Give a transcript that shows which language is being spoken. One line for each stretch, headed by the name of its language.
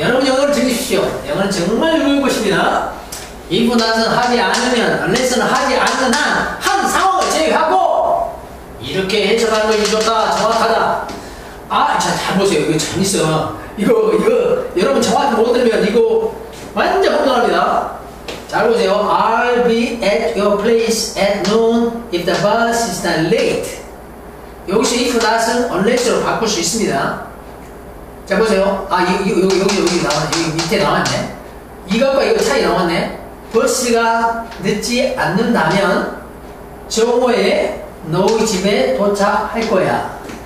Korean: 여러분 영어를 즐기십시오. 영어는 정말 즐거울 것입니다. If not은 하지 않으면 unless는 하지 않는 한 상황을 제외하고 이렇게 해석하는 것이 좋다. 정확하다. 아, 자, 잘 보세요. 이거 재밌어. 이거 여러분 정확히 못 들으면 이거 완전 혼돈합니다. 잘 보세요.
English: I'll be at your place at noon if the bus is not late.
Korean: 여기서 if not은 unless로 바꿀 수 있습니다. 자 보세요. 아 여기 나왔네. 여기 밑에 나왔네. 이것과 이거 차이 나왔네. 버스가 늦지 않는다면 정오에 너희 집에 도착할 거야.